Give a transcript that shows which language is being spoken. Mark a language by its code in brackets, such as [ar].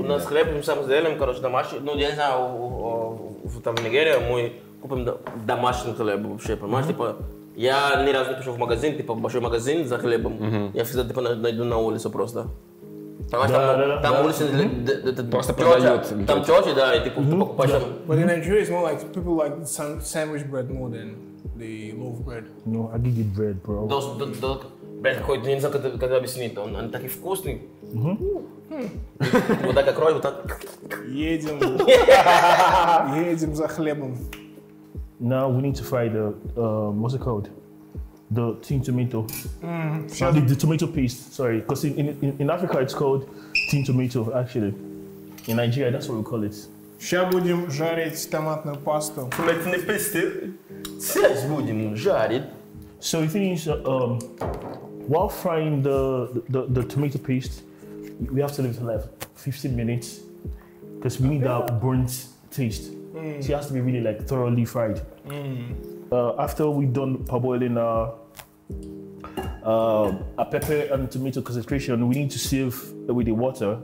[ru] У нас хлеб мы сам сделаем, короче, домашний. Ну, я не знаю, там в Нигерии мы купим домашний хлеб вообще, понимаешь? Типа... Я ни разу не пришел в магазин, типа большой магазин за хлебом. Uh-huh. Я всегда типа найду на улице просто. Понимаешь, там улицы просто продают. Там тёти, да, и ты покупаешь. [en] But in Nigeria it's more like people like sandwich bread more than the loaf bread. No, I did it bread, bro. [ru] Блять, какой, я не знаю, как это объяснить, он такой вкусный. Вот так окрой, вот так. Едем. Едем за хлебом. [en] Now we need to fry the what's it called? The tin tomato. Mm-hmm. The tomato paste. Sorry, because in Africa it's called tin tomato. Actually, in Nigeria that's what we call it. [ru] Сейчас будем жарить томатную пасту. Блять, не пасти. Сейчас будем жарить. [en] So the thing is, while frying the tomato paste, we have to leave it for like 15 minutes because we need that burnt taste. Mm. So it has to be really like thoroughly fried. After we've done parboiling a pepper and tomato concentration, we need to sieve with the water.